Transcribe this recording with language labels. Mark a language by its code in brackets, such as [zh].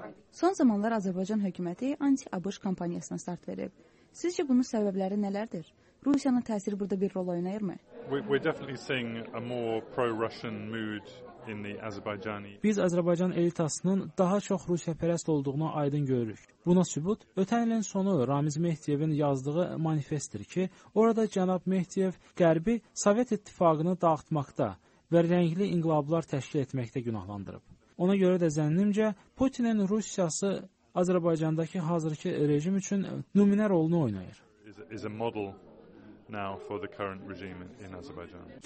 [az] Son zamanlar Azərbaycan hökuməti anti-ABŞ kampaniyasına start verib. Sizcə bunun səbəbləri nələrdir? Rusiyanın təsiri burada bir rol oynayırmı? [en] We're definitely seeing a more pro-Russian mood in the Azerbaijani. [az] Biz Azərbaycan elitasının daha çox Rusiyapərəst olduğunu aydın görürük. Buna sübut ötən ilin sonu Ramiz Mehdiyevin yazdığı manifestdir ki, orada cənab Mehdiyev Qərbi Sovet İttifaqını dağıtmaqda və rəngli inqilablar təşkil etməkdə günahlandırıb. Ona görə də zənnimcə Putinin Rusiyası Azərbaycandakı hazırki rejim üçün nümunə rolunu oynayır. [en] Is a model now for the current regime in Azerbaijan.